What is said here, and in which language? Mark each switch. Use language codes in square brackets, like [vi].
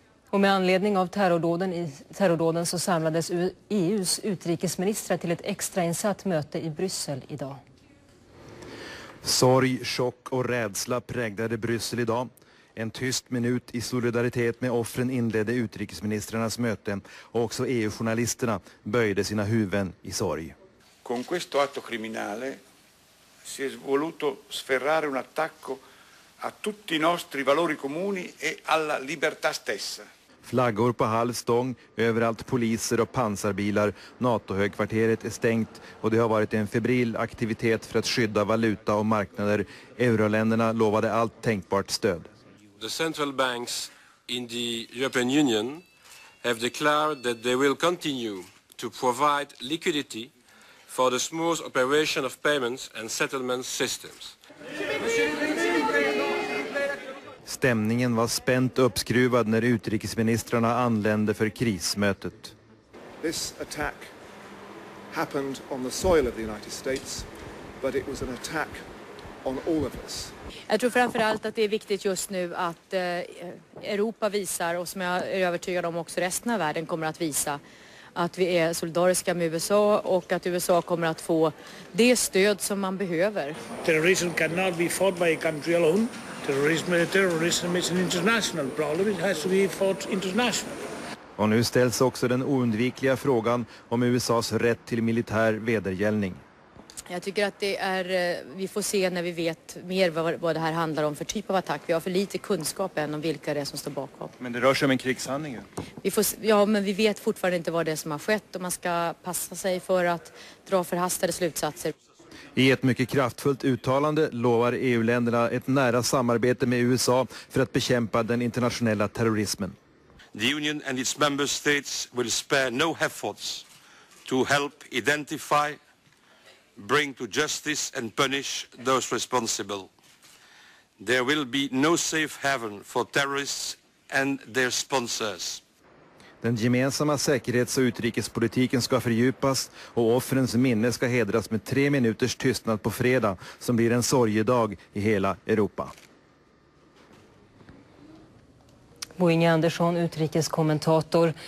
[sv] Och med anledning av terrordåden så samlades EU:s utrikesministrar till ett extrainsatt möte i Bryssel idag. Sorg, chock och rädsla präglade Bryssel idag. En tyst minut i solidaritet med offren inledde utrikesministrarnas möte och också EU-journalisterna böjde sina huvuden i sorg. [it] Con questo atto criminale si è voluto sferrare un attacco a tutti i nostri valori comuni e alla libertà stessa. [sv] Flaggor på halv stång, överallt poliser och pansarbilar. NATO-högkvarteret är stängt och det har varit en febril aktivitet för att skydda valuta och marknader. Euroländerna lovade allt tänkbart stöd. [en] The central banks in the European Union have declared that they will continue to provide liquidity for the smooth operation of payments and settlement systems. [sv] Stämningen var spänt uppskruvad när utrikesministrarna anlände för krismötet. [en] This attack happened on the soil of the United States, but it was an attack on all of us. [sv] Jag tror framförallt att det är viktigt just nu att Europa visar, och som jag är övertygad om också resten av världen kommer att visa, att vi är solidariska med USA och att USA kommer att få det stöd som man behöver. [en] Terrorism cannot be fought by a country alone. Terrorism is an international problem. It has to be fought internationally. [sv] Och nu ställs också den oundvikliga frågan om USA:s rätt till militär vedergällning. Jag tycker att det är, vi får se när vi vet mer vad det här handlar om för typ av attack. Vi har för lite kunskap än om vilka det är som står bakom. Men det rör sig om en krigshandling. Men vi vet fortfarande inte vad det är som har skett och man ska passa sig för att dra förhastade slutsatser. I ett mycket kraftfullt uttalande lovar EU-länderna ett nära samarbete med USA för att bekämpa den internationella terrorismen. [en] The Union and its member states will spare no efforts to help identify, bring to justice and punish those responsible. There will be no safe haven for terrorists and their sponsors. [sv] Den gemensamma säkerhets- och utrikespolitiken ska fördjupas och offrens minne ska hedras med 3 minuters tystnad på fredag som blir en sorgedag i hela Europa. Bo Inge Andersson, utrikeskommentator.